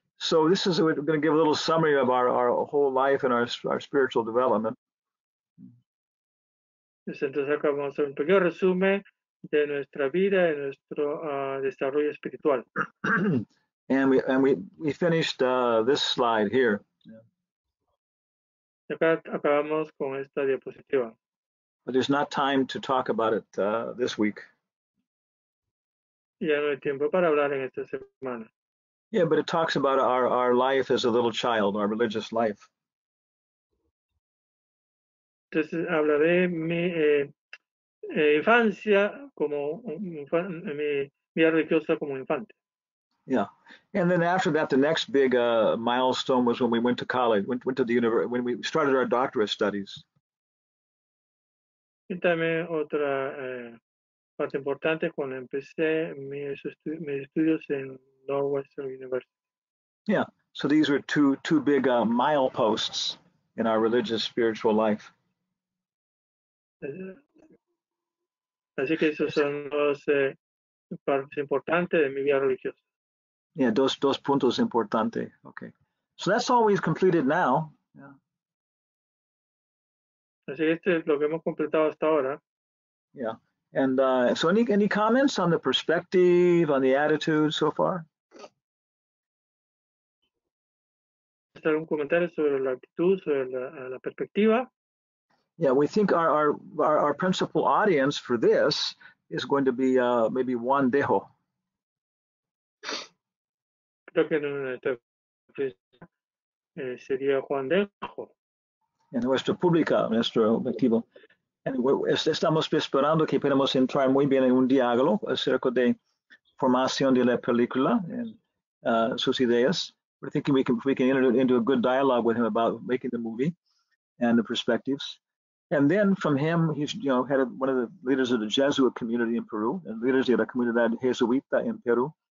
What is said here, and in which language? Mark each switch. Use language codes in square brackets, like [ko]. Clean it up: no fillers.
[en] So this is, we're going to give a little summary of our whole life and our spiritual development. [es] Entonces acá vamos a hacer un pequeño resumen de nuestra vida y nuestro desarrollo espiritual. [en] And we finished this slide here. [es] Acá acabamos con esta diapositiva. [en] But there's not time to talk about it this week. [es] Ya no hay tiempo para hablar en esta semana. [en] Yeah, but it talks about our life as a little child, our religious life. [es] Entonces habla de mi infancia como mi vida religiosa como infante. [en] Yeah, and then after that, the next big milestone was when we went to college, went to the university, when we started our doctorate studies. [es] Y también otra parte importante cuando empecé mis estudios en Northwestern University. [en] Yeah, so these were two big mileposts in our religious spiritual life. [es] Así que esos son dos partes importantes de mi vida religiosa. [en] Yeah, [es] dos puntos importantes. [en] Okay, so that's all we've completed now. Yeah. [es] Así que esto es lo que hemos completado hasta ahora. [en] Yeah, and so any comments on the perspective, on the attitude so far? [es] ¿Algún comentario sobre la actitud, sobre la perspectiva? [en] Yeah, we think our principal audience for this is going to be maybe Juan Dejo. [es] Creo que nuestra sería Juan Dejo. En nuestra pública, nuestro objetivo. Estamos esperando que podamos entrar muy bien en un diálogo acerca de formación de la película y sus ideas. [en] We're thinking we can enter into a good dialogue with him about making the movie and the perspectives. And then from him, he's head of one of the leaders of the Jesuit community in Peru and leaders [es] de la comunidad jesuita [en] in Peru.